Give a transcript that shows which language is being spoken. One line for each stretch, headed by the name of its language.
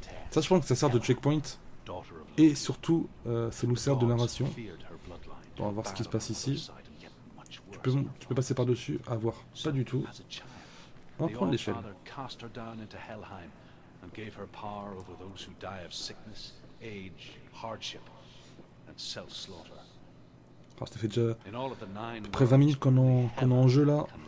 French: Ça, je pense que ça sert de checkpoint. Et surtout, ça nous sert de narration. On va voir ce qui se passe ici. Tu peux passer par-dessus? À voir. Pas du tout. On va prendre l'échelle.
English: Cast her down into Helheim and gave her power over those who die of sickness, age, hardship and self-slaughter.
French: Ça fait déjà à peu près 20 minutes qu'on est en jeu là.